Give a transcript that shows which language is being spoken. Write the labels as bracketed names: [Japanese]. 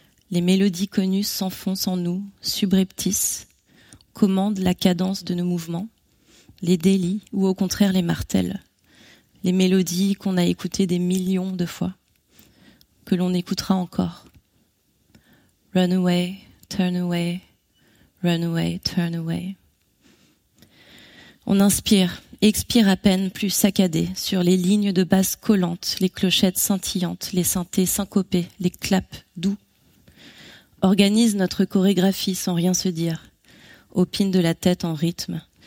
[French] Les mélodies connues s'enfoncent en nous, subreptices, commandent la cadence de nos mouvements, les délient ou au contraire les martèlent. Les mélodies qu'on a écoutées des millions de fois, que l'on écoutera encore. [English] Run away, turn away, run away, turn away. [French] On inspire, expire à peine plus saccadé sur les lignes de basse collantes, les clochettes scintillantes, les synthés syncopés, les claps doux. Organise notre chorégraphie sans rien se dire. Opine de la tête en rythme.